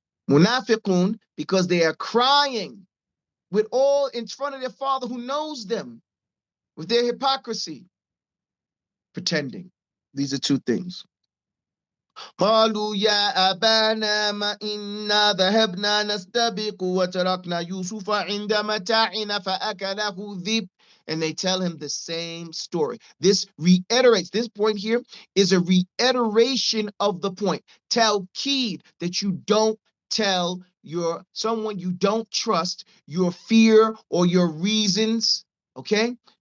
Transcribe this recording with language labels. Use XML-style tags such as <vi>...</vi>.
<en>munafiqun, because they are crying with all in front of their father who knows them, with their hypocrisy, pretending. These are two things.</en> <ar>قالوا يا أبانا ما إنا ذهبنا نستبق وتركنا يوسف عند متاعنا فأكله الذئب.</ar> <en>And they tell him the same story. This reiterates, this point here is a reiteration of the point. Talkeed, that you don't tell your someone you don't trust your fear or your reasons, okay?</en>